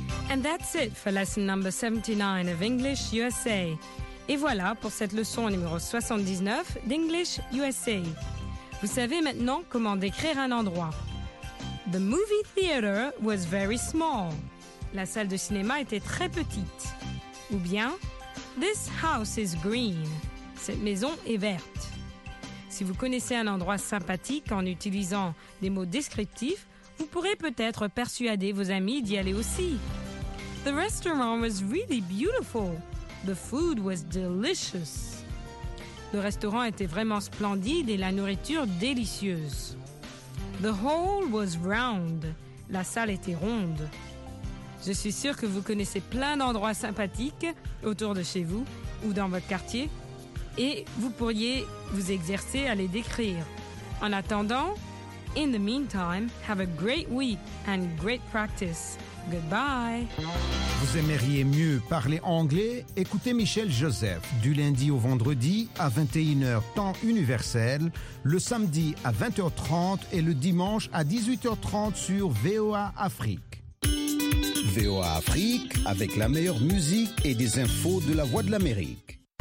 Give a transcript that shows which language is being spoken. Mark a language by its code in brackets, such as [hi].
[en] And that's it for lesson number 79 of English USA. [fr] Et voilà pour cette leçon numéro 79 d'English USA. Vous savez maintenant comment décrire un endroit. [en] The movie theater was very small. [fr] La salle de cinéma était très petite. Ou bien, [en] this house is green. [fr] Cette maison est verte. Si vous connaissez un endroit sympathique en utilisant des mots descriptifs, vous pourrez peut-être persuader vos amis d'y aller aussi. [en] The restaurant was really beautiful. The food was delicious. [fr] Le restaurant était vraiment splendide et la nourriture délicieuse. [en] The hall was round. [fr] La salle était ronde. Je suis sûre que vous connaissez plein d'endroits sympathiques autour de chez vous ou dans votre quartier et vous pourriez vous exercer à les décrire. En attendant, [en] in the meantime, have a great week and great practice. Goodbye. [fr] Vous aimeriez mieux parler anglais? Écoutez Michel Joseph du lundi au vendredi à 21h temps universel, le samedi à 20h30 et le dimanche à 18h30 sur VOA Afrique. VOA Afrique avec la meilleure musique et des infos de la Voix de l'Amérique.